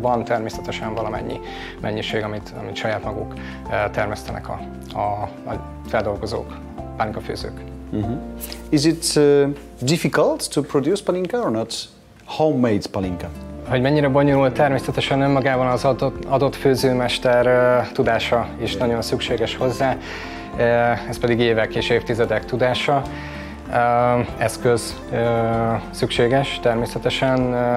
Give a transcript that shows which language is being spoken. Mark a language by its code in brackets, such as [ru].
[hu] Van természetesen valamennyi mennyiség, amit saját maguk termesztenek a feldolgozók, pálinkafőzők. Uh-huh. [en] Is it difficult to produce palinka or not? Homemade palinka. [hu] Hogy mennyire bonyolult, természetesen önmagában az adott főzőmester tudása is nagyon szükséges hozzá. Ez pedig évek és évtizedek tudása. Eszköz szükséges természetesen.